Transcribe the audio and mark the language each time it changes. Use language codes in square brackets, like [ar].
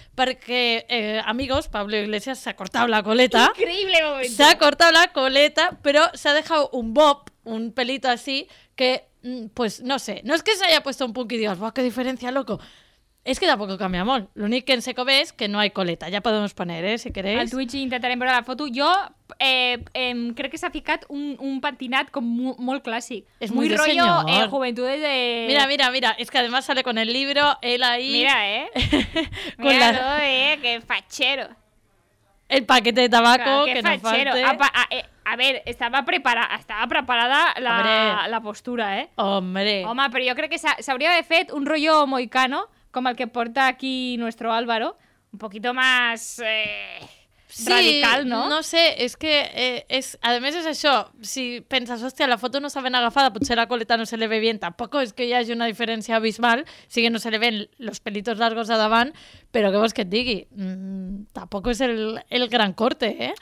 [es] Porque, amigos, Pablo Iglesias se ha cortado la coleta. Increíble momento. Se ha cortado la coleta, pero se ha dejado un bob, un pelito así, que, pues no sé. No es que se haya puesto un punk y digas, ¡buah, qué diferencia, loco! Es que tampoco cambia molt. Lo único que en seco ve es que no hay coleta. Ya podemos poner, si queréis. [ca] Al Twitch intentarem veure la foto. Jo crec que s'ha ficat un pentinat com molt clàssic. [es] És muy rollo Juventudes de... Mira. Es que además sale con el libro, él ahí... Mira, con mira todo, qué fachero. El paquete de tabaco, claro, que fachero. No falte. A ver, [ca] estava [es] preparada la postura, Hombre. [ca] Home, però jo crec que s'hauria de fet un rollo moicano... [es] Como el que porta aquí nuestro Álvaro, un poquito más sí, radical, ¿no? No sé, es que es además es eso, si pensas, hostia, la foto no está bien agafada, pues la coleta no se le ve bien, tampoco es que ya haya una diferencia abismal, sí que no se le ven los pelitos largos de Adaván, pero que vos [ca] que digui, [es] tampoco es el gran corte,